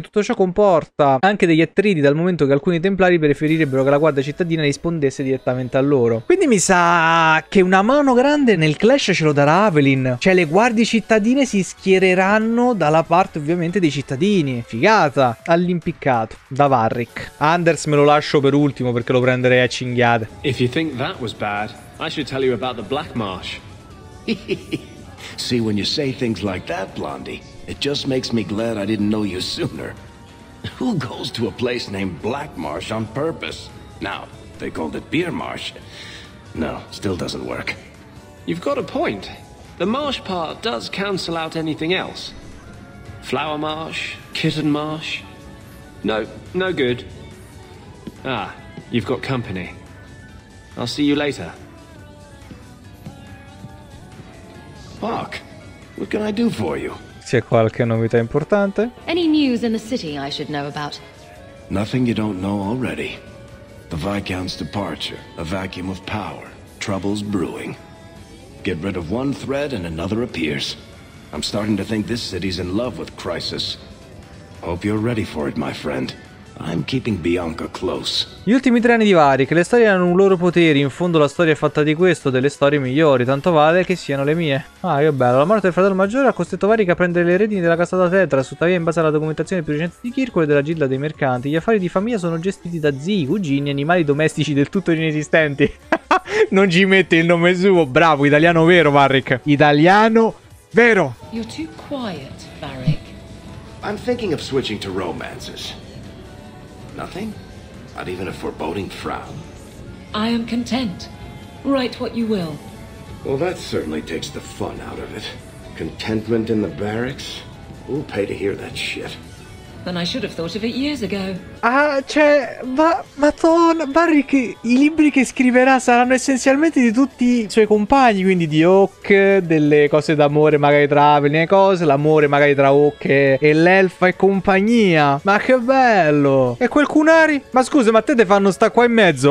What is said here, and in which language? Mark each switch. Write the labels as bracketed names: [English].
[Italian] Tutto ciò comporta anche degli attriti, dal momento che alcuni templari preferirebbero che la guardia cittadina rispondesse direttamente a loro. Quindi mi sa che una mano grande nel clash ce lo darà Avelyn. Cioè, le guardie cittadine si schiereranno dalla parte ovviamente dei cittadini. Figata. All'impiccato da Varric. Anders me lo lascio per ultimo perché lo prenderei a cinghiate. [English] If you think that was bad, I should tell you about the Black Marsh. See, when you say things like that, Blondie, it just makes me glad I didn't know you sooner. Who goes to a place named Black Marsh on purpose? Now, they called it Beer Marsh. No, still doesn't work. You've got a point. The marsh part does cancel out anything else. Flower marsh, kitten marsh. No, no good. Ah, you've got company. I'll see you later. Mark, what can I do for you? [Italian] C'è qualche novità importante? [English] Any news in the city I should know about? Nothing you don't know already. The Viscount's departure, a vacuum of power, troubles brewing. Get rid of one thread and another appears. I'm starting to think this city's in love with crisis. Hope you're ready for it, my friend. I'm keeping Bianca close. [Italian] Gli ultimi tre anni di Varric, le storie hanno un loro potere. In fondo la storia è fatta di questo, delle storie migliori, tanto vale che siano le mie. Ah, che bello. La morte del fratello maggiore ha costretto Varric a prendere le redini della casata Tetra. Tuttavia, in base alla documentazione più recente di Kirkwall e della Gilda dei Mercanti, gli affari di famiglia sono gestiti da zii, cugini e animali domestici del tutto inesistenti. Non ci mette il nome suo. Bravo, italiano vero, Varric. Italiano vero. [English] You're too quiet, Varric. I'm thinking of switching to romances. Nothing? Not even a foreboding frown? I am content. Write what you will. Well, that certainly takes the fun out of it. Contentment in the barracks? Who'll pay to hear that shit? Then I should have thought of it years ago. [Italian] Ah, cioè, Varric, i libri che scriverà saranno essenzialmente di tutti i suoi compagni, quindi di Oak, delle cose d'amore magari tra Avelyn e cose, l'amore magari tra Oak e l'elfa e compagnia. Ma che bello! E quel Cunari? Ma scusa, ma te te fanno sta qua in mezzo?